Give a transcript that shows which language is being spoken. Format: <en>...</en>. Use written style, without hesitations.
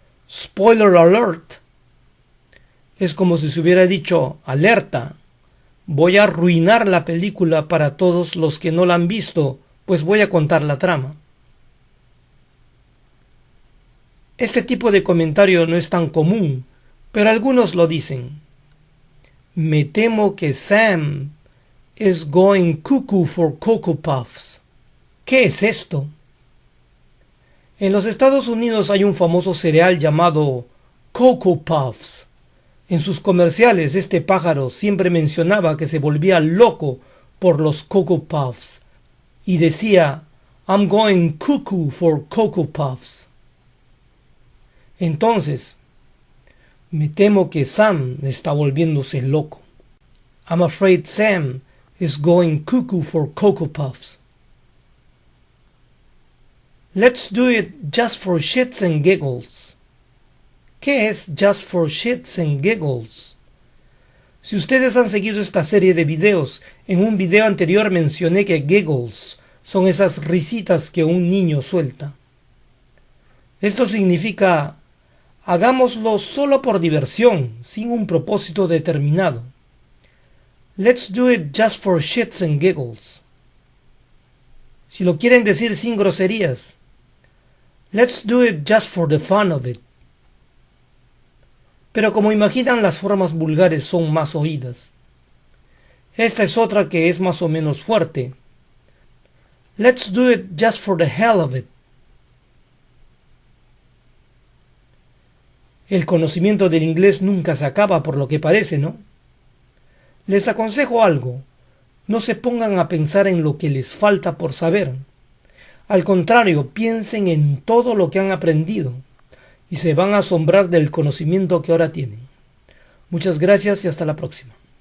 <es>Spoiler alert. Es como si se hubiera dicho, alerta. Voy a arruinar la película para todos los que no la han visto, pues voy a contar la trama. Este tipo de comentario no es tan común. Pero algunos lo dicen. Me temo que</es> <en>Sam is going cuckoo for Cocoa Puffs.</en> <es>¿Qué es esto? En los Estados Unidos hay un famoso cereal llamado Cocoa Puffs. En sus comerciales, este pájaro siempre mencionaba que se volvía loco por los Cocoa Puffs y decía,</es> <en>I'm going cuckoo for Cocoa Puffs.</en> <es>Entonces, me temo que Sam está volviéndose loco.</es> <en>I'm afraid Sam is going cuckoo for Cocoa Puffs. Let's do it just for shits and giggles.</en> <es>¿Qué es just for shits and giggles? Si ustedes han seguido esta serie de videos, en un video anterior mencioné que giggles son esas risitas que un niño suelta. Esto significa, hagámoslo solo por diversión, sin un propósito determinado.</es> <en>Let's do it just for shits and giggles.</en> <es>Si lo quieren decir sin groserías,</es> <en>let's do it just for the fun of it.</en> <es>Pero como imaginan, las formas vulgares son más oídas. Esta es otra que es más o menos fuerte.</es> <en>Let's do it just for the hell of it.</en> <es>El conocimiento del inglés nunca se acaba por lo que parece, ¿no? Les aconsejo algo. No se pongan a pensar en lo que les falta por saber. Al contrario, piensen en todo lo que han aprendido y se van a asombrar del conocimiento que ahora tienen. Muchas gracias y hasta la próxima.</es>